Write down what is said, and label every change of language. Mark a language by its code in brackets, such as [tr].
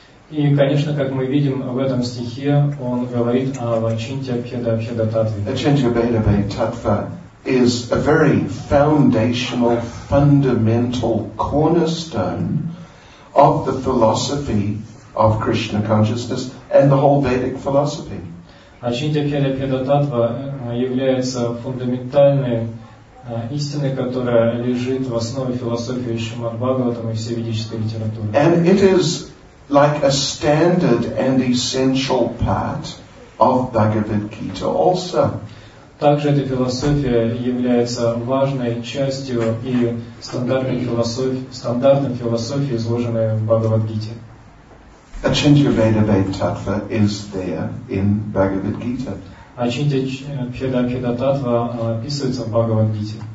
[ru] И, конечно, как мы видим в этом стихе, он говорит о Ачинтья-Бхеда Абхеда-Таттве. [en] Achintyabheda Abheda-Tattva is a very foundational, fundamental cornerstone of the philosophy of Krishna consciousness and the whole Vedic philosophy. [ru] Ачинтья Бхеда Таттва является фундаментальной истиной, которая лежит в основе философии Шримад Бхагаватам и всей ведической литературы. [en] And it is like a standard and essential part of Bhagavad Gita also. [ru] Также эта философия является важной частью и стандартной философии, изложенной в Бхагавад-гите. [en] Achintyabheda Abheda-Tattva is there in Bhagavad-gita. [ru] Achintyabheda Tattva описывается в Бхагавад-гите.